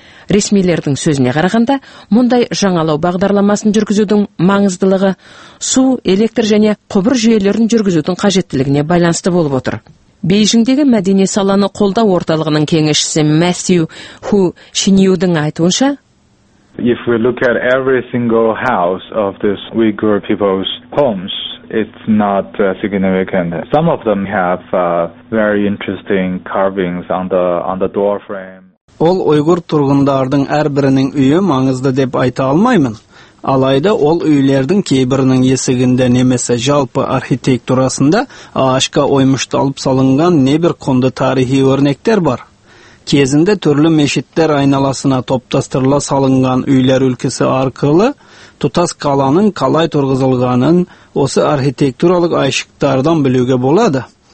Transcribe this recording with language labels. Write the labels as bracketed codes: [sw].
[kk] Ресмилердің сөзіне қарағанда, мұндай жаңалау бағдарламасын жүргізудің маңыздылығы су, электр және құбыр жүйелерін жүргізудің қажеттілігіне байланысты болып отыр. Бейжіңдегі мәдени саланы қолдау орталығының кеңесшісі Мэсью Ху Шиньюдің айтуынша, [en] If we look at every single house of this Uyghur people's homes, It's not significant. Some of them have very interesting carvings on the door frame. [kk] Ол ұйғыр тұрғындардың әрбірінің үйі маңызды деп айта алмаймын. Алайда ол үйлердің кейбірінің есігінде немесе жалпы архитектурасында ашқа оймышталып салынған небір қонды тарихи өрнектер бар. Кезінде түрлі мешіттер айналасына топтастырыла салынған үйлер үлкісі арқылы тұтас қаланың қалай тұрғызылғанын осы архитектуралық айшықтардан білуге болады.